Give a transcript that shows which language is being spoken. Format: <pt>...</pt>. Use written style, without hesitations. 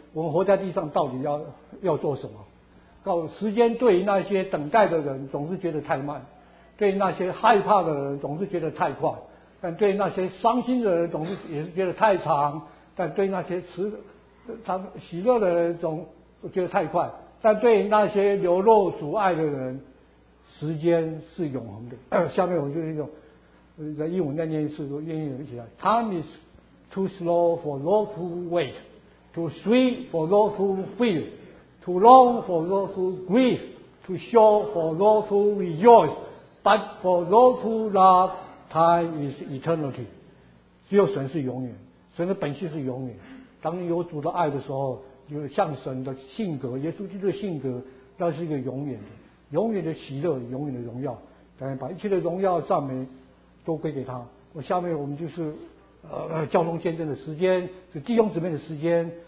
<zh>我们活在地上到底要做什么？告时间对于那些等待的人总是觉得太慢，对于那些害怕的人总是觉得太快，但对于那些伤心的人总是也是觉得太长，但对于那些喜乐的人总我觉得太快，但对那些流露阻碍的人，时间是永恒的。下面我就是用在英文再念一次，我愿意起来。</zh> <en>Time is too slow for those who wait, too sweet for those who fear, too long for those who grieve, too short for those who rejoice, but for those who love, time is eternity.</en> <zh>只有神是永远，神的本性是永远。当你有主的爱的时候，就是像神的性格，耶稣基督的性格，那是一个永远的、永远的喜乐、永远的荣耀。当然，把一切的荣耀、赞美都归给他。我下面我们就是交通见证的时间，是弟兄姊妹的时间。</zh>